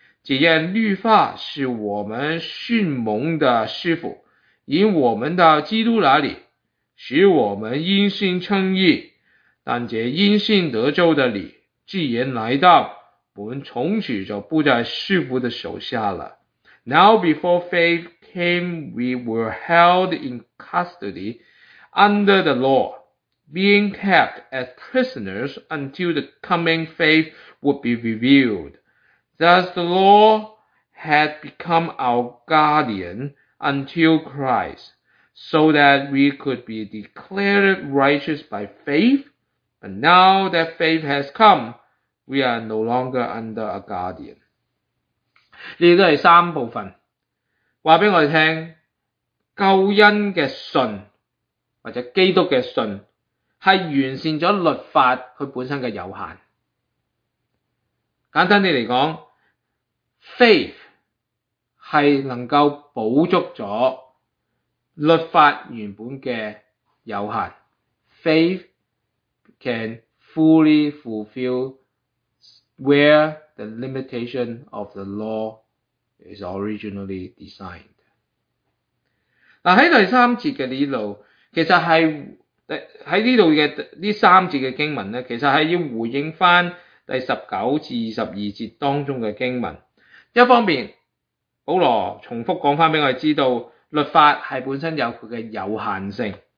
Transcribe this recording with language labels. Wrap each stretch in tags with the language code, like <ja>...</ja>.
<zh>只因律法是我们训蒙的师傅，引我们到基督那里，使我们因信称义。但这因信得救的你既然来到，我们从此就不在师傅的手下了。</zh> <en>Now before faith came, we were held in custody under the law, being kept as prisoners until the coming faith would be revealed. Thus the law had become our guardian until Christ, so that we could be declared righteous by faith. But now that faith has come,We are no longer under a guardian.</en> <zh>这都是三部分告诉我们听，救恩的信或者基督的信是完善了律法它本身的有限。简单地来说， faith 是能够补足了律法原本的有限。</zh> <en>faith can fully fulfillWhere the limitation of the law is originally designed.</en> <zh>在第三节的这里，其实是在这里的这三节的经文，其实是要回应回第19至22节当中的经文。一方面，保罗重复讲给我们知道，律法是本身有它的有限性。</zh>